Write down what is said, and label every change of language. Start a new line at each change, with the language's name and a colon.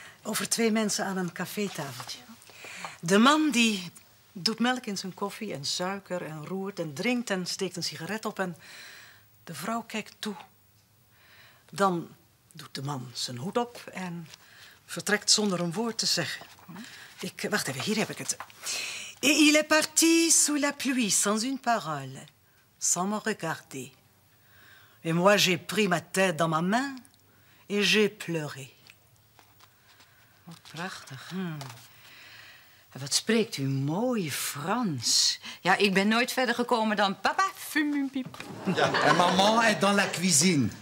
Dutch: Over twee mensen aan een cafétafeltje. De man die doet melk in zijn koffie en suiker en roert en drinkt en steekt een sigaret op en... De vrouw kijkt toe. Dan doet de man zijn hoed op en vertrekt zonder een woord te zeggen. Ik, wacht even, hier heb ik het.
French: Et il est parti sous la pluie, sans une parole, sans me regarder. Et moi, j'ai pris ma tête dans ma main et j'ai pleuré.
Dutch: Wat prachtig. Hmm. Wat spreekt u mooi Frans. Ja, ik ben nooit verder gekomen dan papa.
French: Fume une pipe. Ja, en maman est dans la cuisine.